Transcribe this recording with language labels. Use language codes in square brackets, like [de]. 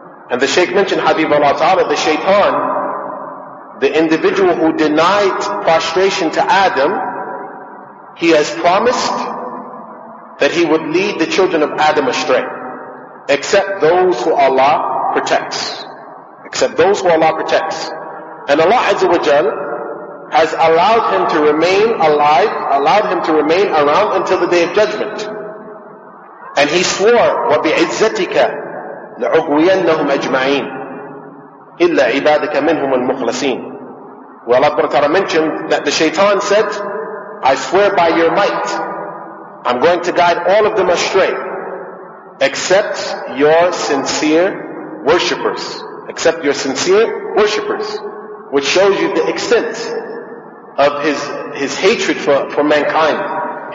[en] And the Shaykh mentioned, Habibullah ta'ala, the shaitan, the individual who denied prostration to Adam, he has promised that he would lead the children of Adam astray, except those who Allah protects. Except those who Allah protects. And Allah Azza wa Jal has allowed him to remain alive, allowed him to remain around until the Day of Judgment. And he swore, [ar] وَبِعِزَّتِكَ لَعُغْوِيَنَّهُمْ أَجْمَعِينَ إِلَّا عِبَادِكَ مِنْهُمُ الْمُخْلَصِينَ. [en] Well, Allah Ta'ala mentioned that the shaitan said, I swear by your might, I'm going to guide all of them astray, except your sincere worshippers. Except your sincere worshippers. Which shows you the extent of his hatred for mankind.